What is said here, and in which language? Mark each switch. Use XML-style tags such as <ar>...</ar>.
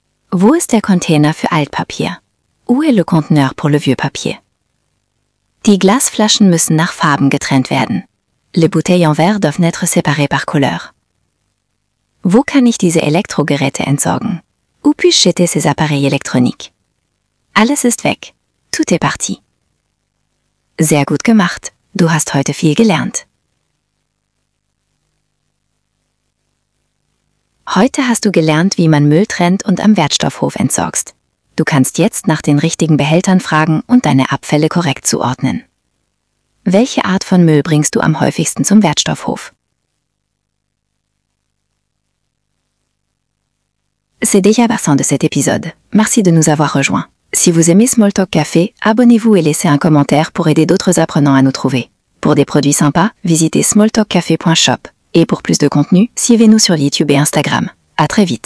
<de>Wo ist der Container für Altpapier?</de> <fr>Où est le conteneur pour le vieux papier?</fr> <de>Die Glasflaschen müssen nach Farben getrennt werden.</de> <fr>Les bouteilles en verre doivent être séparées par couleur.</fr> <de>Wo kann ich diese Elektrogeräte entsorgen?</de> <fr>Où puis-je jeter ces appareils électroniques?</fr> <de>Alles ist weg.</de> <fr>Tout est parti.</fr> <de>Sehr gut gemacht. Du hast heute viel gelernt. Heute hast du gelernt, wie man Müll trennt und am Wertstoffhof entsorgst. Du kannst jetzt nach den richtigen Behältern fragen und deine Abfälle korrekt zuordnen. Welche Art von Müll bringst du am häufigsten zum Wertstoffhof?</de> <fr>C'est déjà la fin de cet épisode. Merci de nous avoir rejoints. Si vous aimez Smalltalk Café, abonnez-vous et laissez un commentaire pour aider d'autres apprenants à nous trouver. Pour des produits sympas, visitez smalltalkcafé.shop. Et pour plus de contenu, suivez-nous sur YouTube et Instagram. À très vite!</fr>